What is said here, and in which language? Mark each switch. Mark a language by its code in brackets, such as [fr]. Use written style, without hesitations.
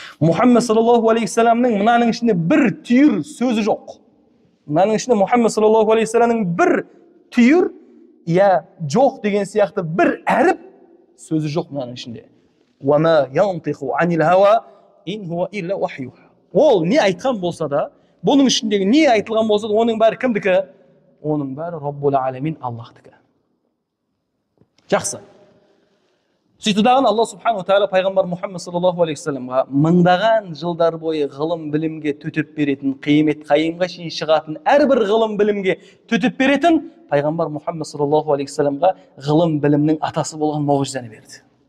[kk] Мұхаммед саллаллаху алейхи саламның мынаның ішінде бір түйір сөзі жоқ. Мынаның ішінде Мұхаммед саллаллаху алейхи саламның бір түйір иә жоқ деген сияқты бір әріп сөзі жоқ мынаның ішінде. [ar] Уама янтиху анил хава ин хуа илля вахйуха. [kk] Ол не айтқан болса да, бұның ішіндегі не айтылған болса да, оның бәрі кімдікі? Оның бәрі Роббул алемин Аллаһтікі. Жақсы. Сөйтіп дағын Алла субхана тағала пайғамбар Мұхаммед саллаллаху алейхи саламға мыңдаған жылдар бойы ғылым білімге төтеп беретін, қиямет қайымға шейін шығатын әрбір ғылым білімге төтеп беретін пайғамбар Мұхаммед саллаллаху алейхи саламға ғылым білімнің атасы болған мұғжизаны берді.